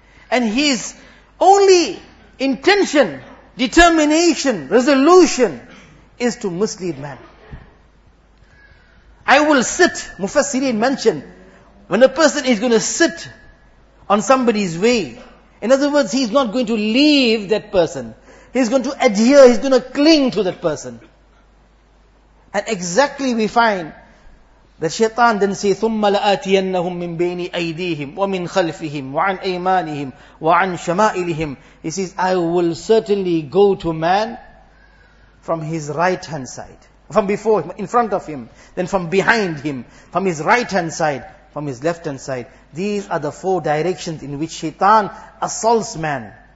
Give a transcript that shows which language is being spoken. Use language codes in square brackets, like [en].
[en] And his only intention, determination, resolution is to mislead man. I will sit, Mufassirin mentioned, when a person is going to sit on somebody's way. In other words, he's not going to leave that person. He's going to adhere, he's going to cling to that person. And exactly we find that shaitan then says, [ar] ثُمَّ لَآتِيَنَّهُمْ مِنْ بَيْنِ أَيْدِيهِمْ وَمِنْ خَلْفِهِمْ وَعَنْ أَيْمَانِهِمْ وَعَنْ شَمَائِلِهِمْ. [en] He says, I will certainly go to man from his right hand side. From before, in front of him. Then from behind him. From his right hand side. From his left hand side. These are the four directions in which shaitan assaults man.